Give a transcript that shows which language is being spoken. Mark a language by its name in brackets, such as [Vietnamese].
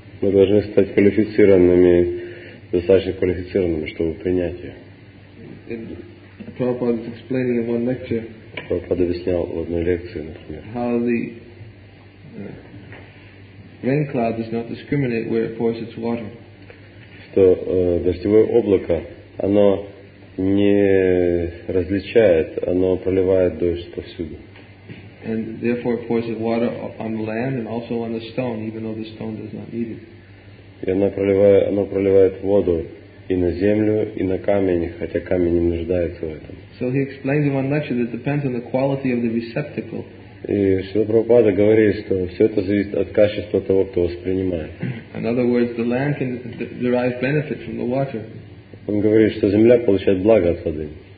[Russian] Мы должны стать квалифицированными, достаточно квалифицированными, чтобы принять ее. Прабхупада объяснял в одной лекции, например, [English] how the rain cloud does not discriminate where it pours its water. [Russian] Что дождевое облако, оно не различает, оно проливает дождь повсюду. [English] And therefore it pours its water on the land and also on the stone, even though the stone does not need it. [Russian] И оно проливает воду и на землю, и на камень, хотя камень не нуждается в этом. [English] So he explains in one lecture that it depends on the quality of the receptacle. [Russian] И Шрила Прабхупада говорит, что все это зависит от качества того, кто воспринимает. [English] In other words, the land can derive benefit from the water. [Russian] Он говорит, что земля получает благо от воды.